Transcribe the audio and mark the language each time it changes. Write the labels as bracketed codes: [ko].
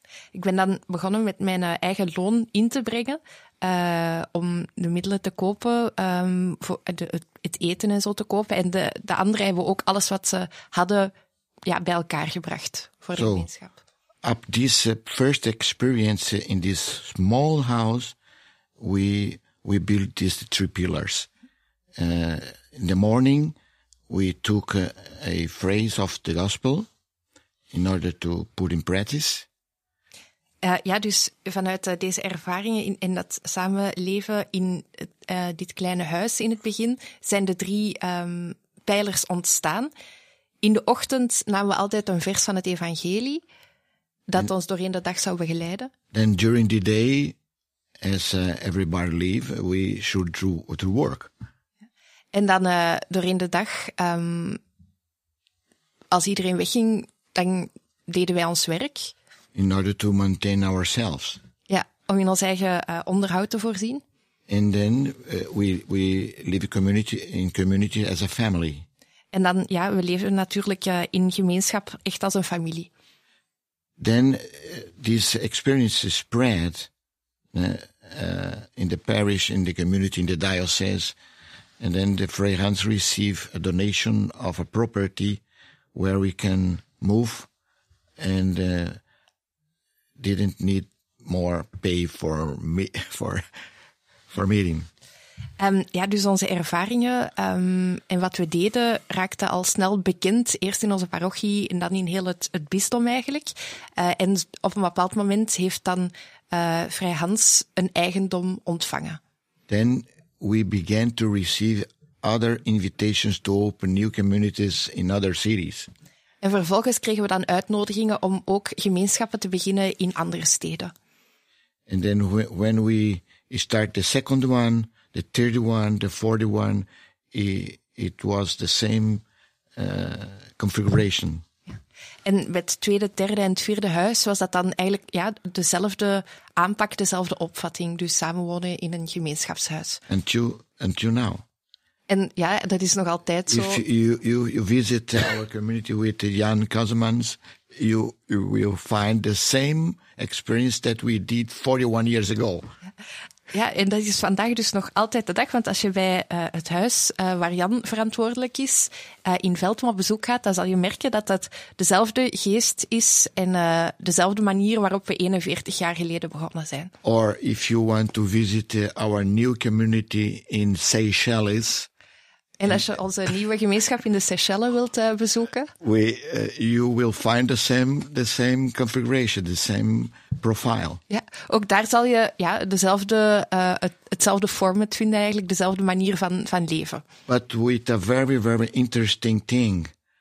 [nl] Ik ben dan begonnen met mijn eigen loon in te brengen, om de middelen te kopen, voor het eten en zo te kopen. En de anderen hebben ook alles wat ze hadden bij elkaar gebracht voor de gemeenschap. [en] Up this first experience in this small house, we built these three pillars. In the morning, we took a phrase of the gospel in order to put in practice. [nl] Dus vanuit deze ervaringen in dat samenleven in dit kleine huis in het begin, zijn de drie pijlers ontstaan. In de ochtend namen we altijd een vers van het evangelie dat ons doorheen de dag zou begeleiden. [en] Then during the day, as everybody leave, we should do to work. [nl] En dan doorheen de dag, als iedereen wegging, dan deden wij ons werk. [en] In order to maintain ourselves. [nl] Ja, om in ons eigen onderhoud te voorzien. [en] And then we live in community as a family. [nl] En dan, we leven natuurlijk in gemeenschap echt als een familie. [en] Then this experience is spread in the parish, in the community, in the diocese. And then the Frey Hans receive a donation of a property where we can move and didn't need more pay for meeting. [nl] Dus onze ervaringen en wat we deden raakte al snel bekend. Eerst in onze parochie en dan in heel het bisdom eigenlijk. En op een bepaald moment heeft dan Frey Hans een eigendom ontvangen. [en] Then we began to receive other invitations to open new communities in other cities. [nl] En vervolgens kregen we dan uitnodigingen om ook gemeenschappen te beginnen in andere steden. [en] And then when we start the second one, the third one, the fourth one, it was the same configuration. [nl] En met het tweede, derde en het vierde huis was dat dan eigenlijk ja, dezelfde aanpak, dezelfde opvatting. Dus samenwonen in een gemeenschapshuis. [en] Until now. [nl] En ja, dat is nog altijd zo. [en] If you visit our community with Jan Kazemans, you will find the same experience that we did 41 years ago. [nl] Ja, en dat is vandaag dus nog altijd de dag. Want als je bij het huis waar Jan verantwoordelijk is, in Veldhoven op bezoek gaat, dan zal je merken dat dat dezelfde geest is en dezelfde manier waarop we 41 jaar geleden begonnen zijn. [en] Or if you want to visit our new community in Seychelles. [nl] En als je onze nieuwe gemeenschap in de Seychelles wilt bezoeken. [en] You will find the same configuration, the same profile. [nl] Ja, ook daar zal je ja, hetzelfde format vinden eigenlijk, dezelfde manier van leven. [en] But with a very, very interesting thing.